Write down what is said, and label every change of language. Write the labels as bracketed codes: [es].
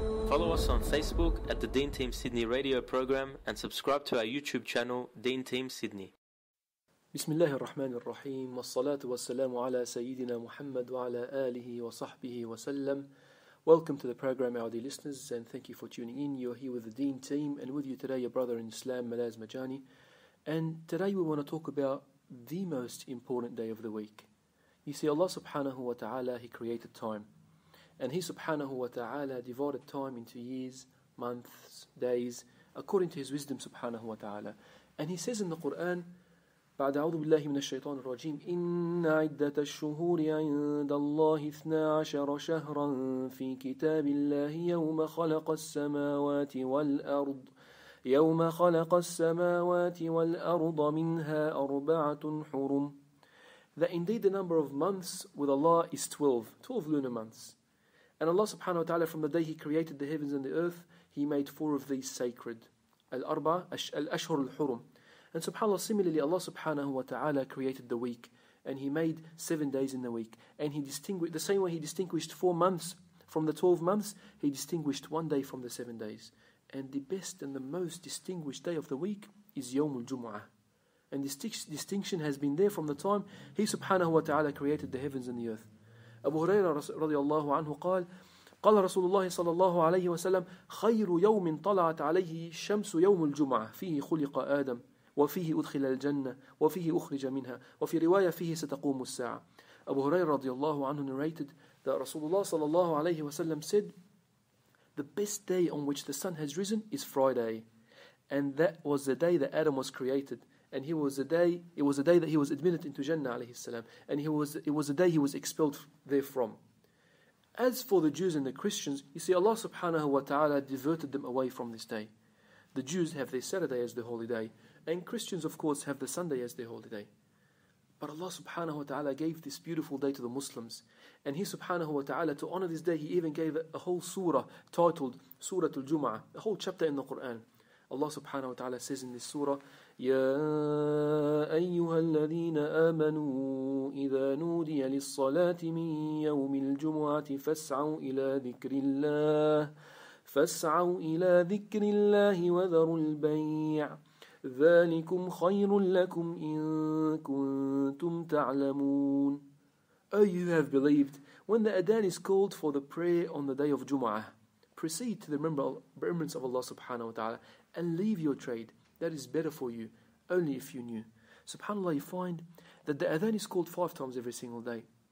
[en] Follow us on Facebook at the Deen Team Sydney radio program and subscribe to our YouTube channel, Deen Team Sydney. [ar] بسم الله الرحمن الرحيم والصلاة والسلام على سيدنا محمد وعلى آله وصحبه وسلم. [en] Welcome to the program, our dear listeners, and thank you for tuning in. You're here with the Deen Team, and with you today, your brother in Islam, Malaz Majani. And today we want to talk about the most important day of the week. You see, Allah subhanahu wa ta'ala, He created time. And He subhanahu wa ta'ala divided time into years, months, days, according to His wisdom subhanahu wa ta'ala. And He says in the Qur'an, [ar] بعد أعوذ بالله من الشيطان الرجيم إن عدة الشهور عند الله 12 شهرا في كتاب الله يوم خلق السماوات والأرض يوم خلق السماوات والأرض منها أربعة حرم. [en] That indeed the number of months with Allah is 12 lunar months. And Allah subhanahu wa ta'ala, from the day He created the heavens and the earth, He made four of these sacred. Al-Ashhur al-Hurum. And subhanAllah, similarly, Allah subhanahu wa ta'ala created the week, and He made 7 days in the week. And He distinguished, the same way He distinguished 4 months from the 12 months, He distinguished one day from the 7 days. And the best and the most distinguished day of the week is Yawmul Jumu'ah. And this distinction has been there from the time He subhanahu wa ta'ala created the heavens and the earth. [ar] Abu Huraira radiallahu anhu qal, قال رسول الله صلى الله عليه وسلم خير يوم طلعت عليه شمس يوم الجمعة فيه خلق آدم وفيه أدخل الجنة وفيه أخرج منها وفي رواية فيه ستقوم الساعة. [en] Abu Huraira radiallahu anhu narrated that Rasulullah sallallahu alayhi wa sallam said, the best day on which the sun has risen is Friday, and that was the day that Adam was created, and it was the day that he was admitted into Jannah alayhi salam, and it was the day he was expelled therefrom. As for the Jews and the Christians, you see, Allah subhanahu wa ta'ala diverted them away from this day. The Jews have their Saturday as their holy day, and Christians, of course, have the Sunday as their holy day. But Allah subhanahu wa ta'ala gave this beautiful day to the Muslims. And He subhanahu wa ta'ala, to honor this day, He even gave a whole surah titled Surah Al-Jumu'ah, a whole chapter in the Quran. Allah subhanahu wa ta'ala says in this surah, [ar] يَا أَيُّهَا الَّذِينَ آمَنُوا إِذَا نُودِيَ لِلصَّلَاةِ مِنْ يَوْمِ الْجُمُعَةِ فَاسْعَوْا إِلَىٰ ذِكْرِ اللَّهِ فَاسْعَوْا إِلَىٰ ذِكْرِ اللَّهِ وَذَرُوا الْبَيْعِ ذَلِكُمْ خَيْرٌ لَكُمْ إِن كُنتُمْ تَعْلَمُونَ. [en] O you have believed, when the Adhan is called for the prayer on the day of Jumu'ah, proceed to the remembrance of Allah subhanahu wa ta'ala and leave your trade. That is better for you, only if you knew. SubhanAllah, you find that the Adhan is called 5 times every single day.